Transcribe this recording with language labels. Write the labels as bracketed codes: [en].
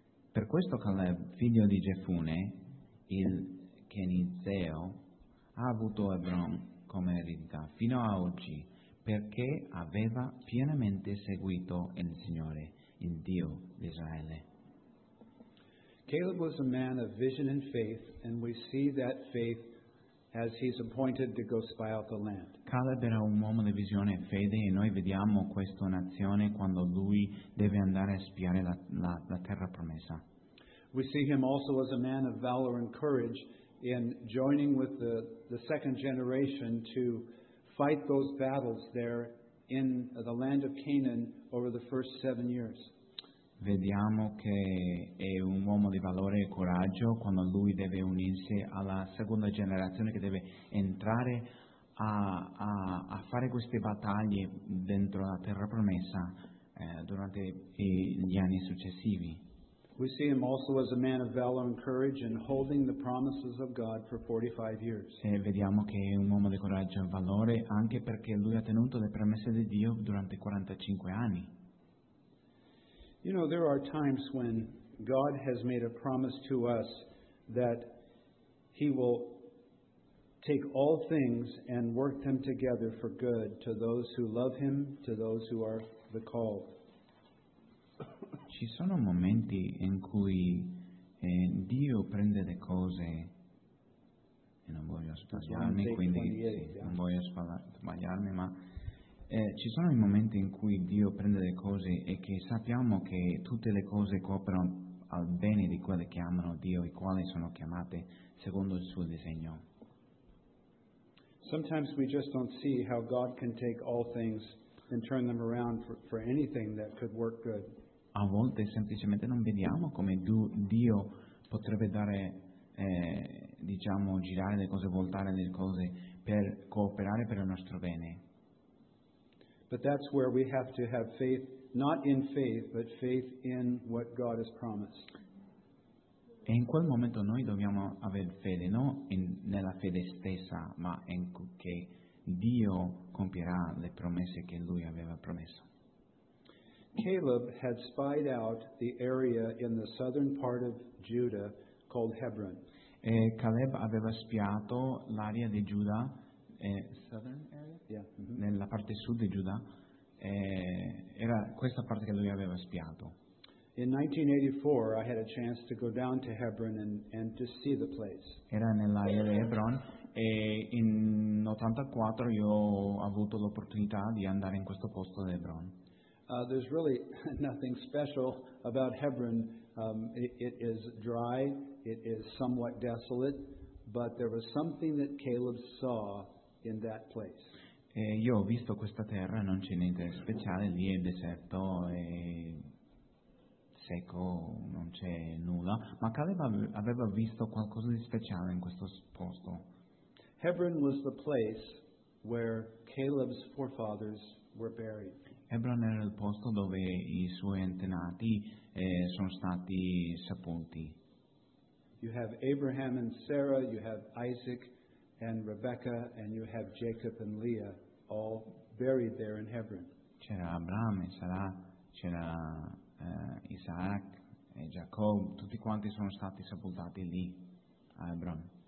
[it] Per questo Caleb, figlio di Jefune, il Kenizzeo, ha avuto Hebron come eredità fino a oggi, perché aveva pienamente seguito il Signore, il Dio di Israele. [en] Caleb was a man of vision and faith, and we see that faith as he's appointed to go spy out the land. [it] Caleb era un uomo di visione e fede, e noi vediamo questa nazione quando lui deve andare a spiare la terra promessa. [en] We see him also as a man of valor and courage in joining with the second generation to fight those battles there in the land of Canaan over the first 7 years. [it] Vediamo che è un uomo di valore e coraggio quando lui deve unirsi alla seconda generazione che deve entrare a fare queste battaglie dentro la terra promessa durante gli anni successivi. [en] We see him also as a man of valor and courage and holding the promises of God for 45 years. [it] E vediamo che è un uomo di coraggio e valore anche perché lui ha tenuto le promesse di Dio durante 45 anni. [en] You know, there are times when God has made a promise to us that He will take all things and work them together for good to those who love Him, to those who are the called. [it] Ci sono momenti in cui Dio prende le cose e non voglio sbagliarmi, quindi non voglio sbagliarmi, ma ci sono i momenti in cui Dio prende le cose e che sappiamo che tutte le cose cooperano al bene di quelle che amano Dio e quali sono chiamate secondo il suo disegno. [en] Sometimes we just don't see how God can take all things and turn them around for anything that could work good. [it] A volte semplicemente non vediamo come Dio potrebbe dare, girare le cose, voltare le cose per cooperare per il nostro bene. [en] But that's where we have to have faith, not in faith, but faith in what God has promised. [it] E in quel momento noi dobbiamo aver fede, no nella fede stessa, ma in che Dio compierà le promesse che Lui aveva promesso. [en] Caleb had spied out the area in the southern part of Judah called Hebron. [it] E Caleb aveva spiato l'area di Giuda. [en] Southern area? Yeah. Mm-hmm. [it] Nella parte sud di Giuda era questa parte che lui aveva spiato. [en] In 1984 I had a chance to go down to Hebron and to see the place. [it] Era nell'area di Hebron e in 84 io ho avuto l'opportunità di andare in questo posto di Hebron. [en] There's really nothing special about Hebron. It is dry, it is somewhat desolate, but there was something that Caleb saw in that place. [it] E io ho visto questa terra, non c'è niente speciale, lì è deserto e secco, non c'è nulla, ma Caleb aveva visto qualcosa di speciale in questo posto. [en] Hebron was the place where Caleb's forefathers were buried. [it] Hebron era il posto dove I suoi antenati sono stati sepolti. [en] You have Abraham and Sarah, you have Isaac and Rebecca, and you have Jacob and Leah, all buried there in Hebron. [it] C'era Abramo e Sara, c'era Isaac e Giacobbe, tutti quanti sono stati sepoltati lì a Hebron.